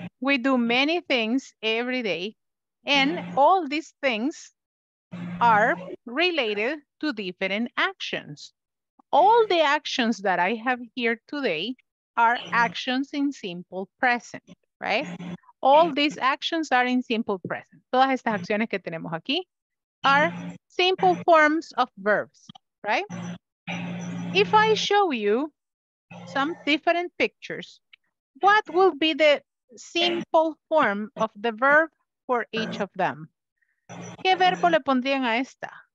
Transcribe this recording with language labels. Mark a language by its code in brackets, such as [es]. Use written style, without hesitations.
[en] We do many things every day. And all these things are related to different actions. All the actions that I have here today are actions in simple present, right? All these actions are in simple present. [es] Todas estas acciones que tenemos aquí [en] are simple forms of verbs, right? If I show you some different pictures, what will be the simple form of the verb for each of them? [es] ¿Qué verbo le pondrían a esta?